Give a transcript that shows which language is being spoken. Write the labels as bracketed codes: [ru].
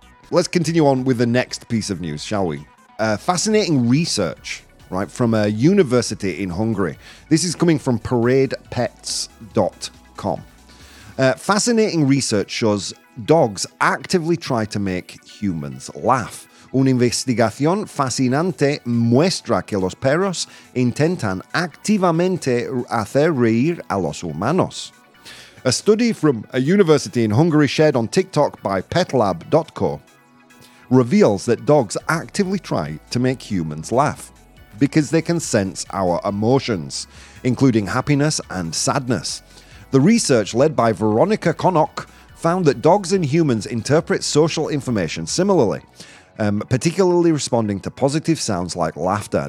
[en] Let's continue on with the next piece of news, shall we? Fascinating research, right, from a university in Hungary. This is coming from ParadePets.com. Fascinating research shows dogs actively try to make humans laugh. [es] Una investigación fascinante muestra que los perros intentan activamente hacer reír a los humanos. [en] A study from a university in Hungary shared on TikTok by petlab.co reveals that dogs actively try to make humans laugh because they can sense our emotions, including happiness and sadness. The research led by Veronica Connock found that dogs and humans interpret social information similarly, particularly responding to positive sounds like laughter.